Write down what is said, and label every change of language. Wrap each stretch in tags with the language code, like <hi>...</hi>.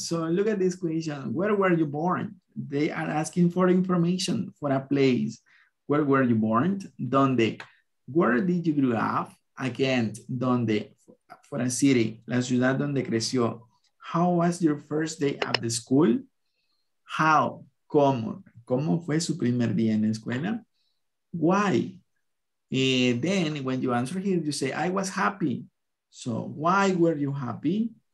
<en>So look at this question, where were you born? They are asking for information, for a place. Where were you born? Donde. Where did you grow up?</en> <es>Again, donde.</es> <en>For a city,</en> <es>la ciudad donde creció.</es> <en>How was your first day at the school? How, cómo.</en> <es>¿Cómo fue su primer día en la escuela?</es> <en>Why? And then when you answer here, you say, I was happy. So why were you happy?</en>